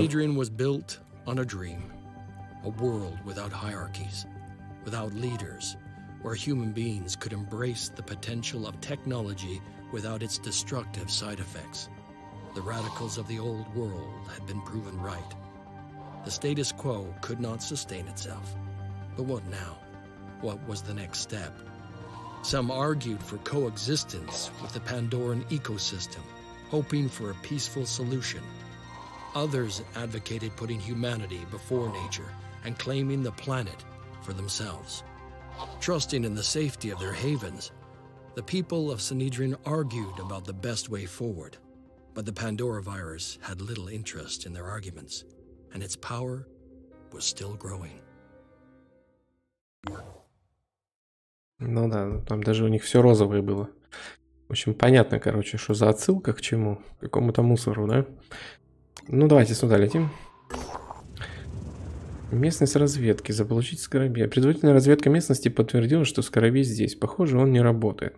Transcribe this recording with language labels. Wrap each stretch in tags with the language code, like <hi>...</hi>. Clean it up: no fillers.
<ru>Нидрин был построен на сне. Мир без иерархий, без лидеров, где люди могли бы принять потенциал технологии без ее деструктивных последствий. Радикалы старого мира были доказаны правы. Статус-кво не мог сохранить себя. Но что теперь? Что был следующим шагом?</ru> <en>Some argued for coexistence with the Pandoran ecosystem, hoping for a peaceful solution. Others advocated putting humanity before nature and claiming the planet for themselves. Trusting in the safety of their havens, the people of Sanhedrin argued about the best way forward. But the Pandora virus had little interest in their arguments, and its power was still growing.</en> <ru>Ну да, там даже у них все розовое было. В общем, понятно, короче, что за отсылка к чему? К какому-то мусору, да? Ну, давайте сюда летим. Местность разведки. Заполучить скоробей. Предварительная разведка местности подтвердила, что скоробей здесь. Похоже, он не работает.</ru>